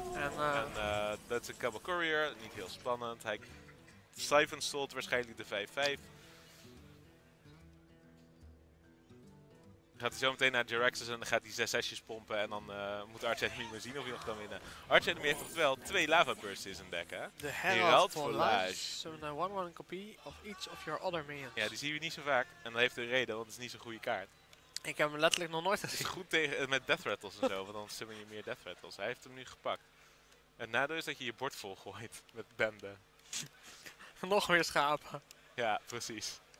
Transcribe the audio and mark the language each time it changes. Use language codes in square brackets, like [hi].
[nl] En dat is een Cabal Courier, niet heel spannend. Hij Siphon Salt waarschijnlijk de 5-5. Gaat hij zo meteen naar Jiraxxus en dan gaat hij 6-6'jes pompen. En dan moet Arch Enemy maar zien of hij nog kan winnen. Arch Enemy heeft toch wel twee Lava Bursts in zijn deck, hè? De Herald Volage. [en] Summon a 1-1 copy of each of your other minions. [nl] Ja, die zien we niet zo vaak. En dat heeft een reden, want het is niet zo'n goede kaart. Ik heb hem letterlijk nog nooit gezien. Het is goed tegen, met Death Rattles en zo, want dan summon je meer Death Rattles. Hij heeft hem nu gepakt. Het nadeel is dat je je bord vol gooit met bende. Nog meer schapen. Ja, precies.